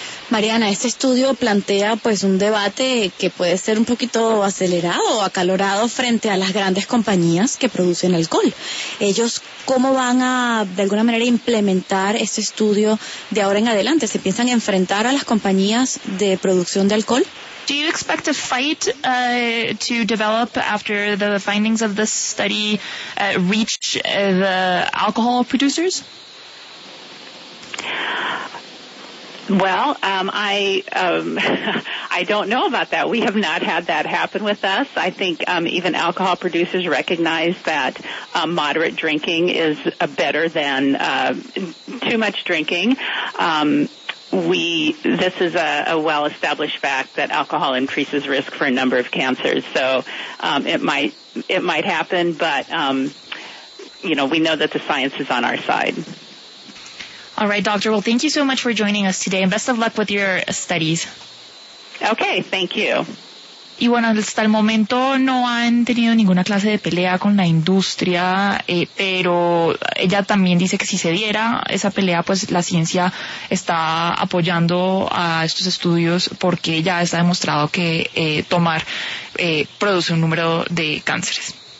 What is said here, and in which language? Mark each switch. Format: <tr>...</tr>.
<es>Mariana, este estudio plantea pues un debate que puede ser un poquito acelerado o acalorado frente a las grandes compañías que producen alcohol. ¿Ellos cómo van a, de alguna manera, implementar este estudio de ahora en adelante? ¿Se piensan enfrentar a las compañías de producción de alcohol?</es> <en>Do you expect a fight to develop after the findings of this study reach the alcohol producers? Well, I don't know about that. We have not had that happen with us. I think even alcohol producers recognize that moderate drinking is better than too much drinking. This is a well-established fact that alcohol increases risk for a number of cancers. So it might happen, but we know that the science is on our side. All right, Doctor. Well, thank you so much for joining us today, and best of luck with your studies. Okay, thank you.</en> <es>Y bueno, hasta el momento no han tenido ninguna clase de pelea con la industria, pero ella también dice que si se diera esa pelea, pues la ciencia está apoyando a estos estudios porque ya está demostrado que tomar produce un número de cánceres.</es>